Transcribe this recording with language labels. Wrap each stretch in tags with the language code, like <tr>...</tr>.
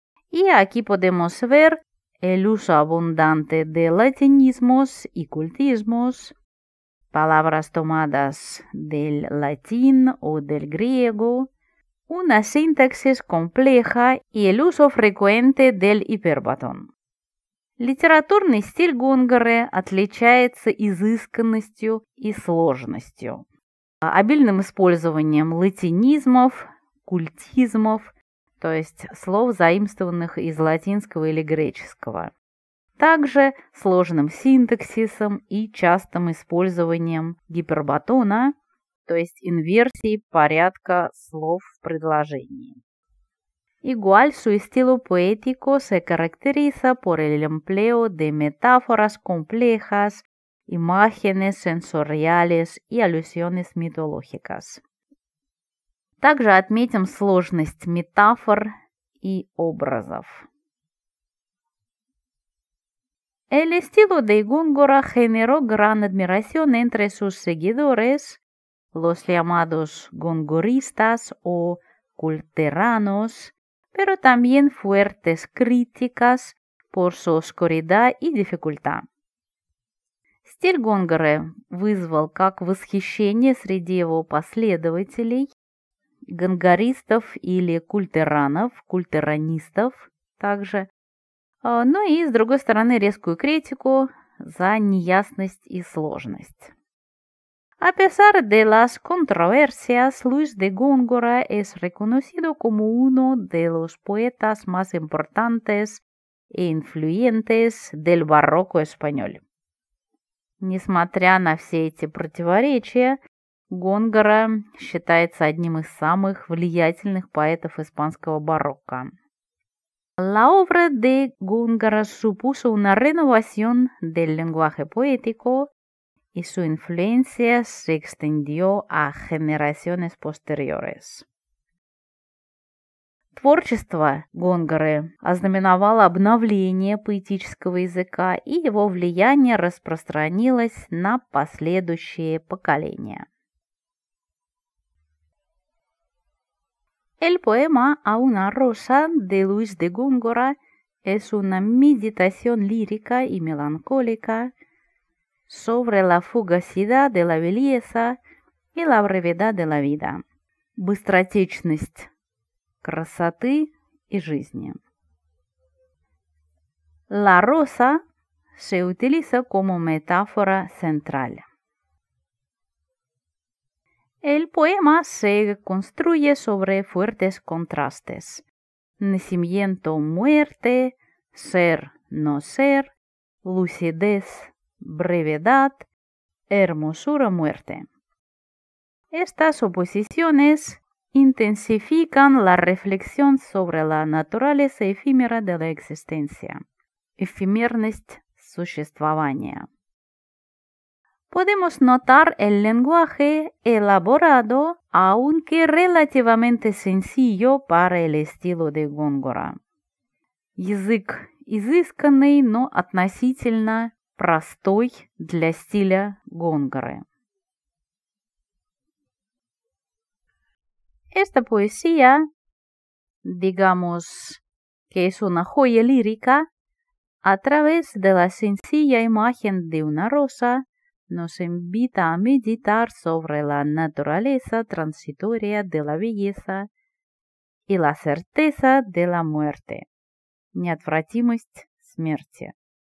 <es>Y aquí podemos ver el uso abundante de latinismos y cultismos, palabras tomadas del latín o del griego, una sintaxis compleja y el uso frecuente del hiperbatón.</es> <ru>Литературный стиль Гонгоры отличается изысканностью и сложностью, обильным использованием латинизмов, культизмов, то есть слов, заимствованных из латинского или греческого, также сложным синтаксисом и частым использованием гипербатона, то есть инверсии порядка слов в предложении.</ru> <es>Igual su estilo poético se caracteriza por el empleo de metáforas complejas, imágenes sensoriales y alusiones mitológicas.</es> <ru>Также отметим сложность метафор и образов.</ru> <es>El estilo de Góngora generó gran admiración entre sus seguidores, los llamados gongoristas o culteranos, pero también fuertes críticas por su oscuridad y dificultad.</es> <ru>Стиль Гонгоры вызвал как восхищение среди его последователей, гонгористов или культеранов, культеранистов также, но и, с другой стороны, резкую критику за неясность и сложность.</ru> <es>A pesar de las controversias, Luis de Góngora es reconocido como uno de los poetas más importantes e influyentes del barroco español.</es> <ru>Несмотря на все эти противоречия, Гонгора считается одним из самых влиятельных поэтов испанского барокко.</ru> <es>La obra de Góngora supuso una renovación del lenguaje poético, y su influencia se extendió a generaciones posteriores.</es> <ru>Творчество Гонгоры ознаменовало обновление поэтического языка, и его влияние распространилось на последующие поколения.</ru> <es>El poema «A una rosa» de Luis de Góngora es una meditación lírica y melancólica sobre la fugacidad de la belleza y la brevedad de la vida,</es> <ru>быстротечность красоты и жизни.</ru> <es>La rosa se utiliza como metáfora central. El poema se construye sobre fuertes contrastes: nacimiento-muerte, ser-no-ser, lucidez, brevedad, hermosura-muerte. Estas oposiciones intensifican la reflexión sobre la naturaleza efímera de la existencia,</es> <ru>эфемерность существования.</ru> <es>Podemos notar el lenguaje elaborado, aunque relativamente sencillo para el estilo de Góngora.</es> <ru>Язык изысканный, но относительно простой для стиля Гонгоры.</ru> <es>Esta poesía, digamos que es una joya lírica, a través de la sencilla imagen de una rosa, nos invita a meditar sobre la naturaleza transitoria de la belleza y la certeza de la muerte,</es> <ru>неотвратимость смерти.</ru>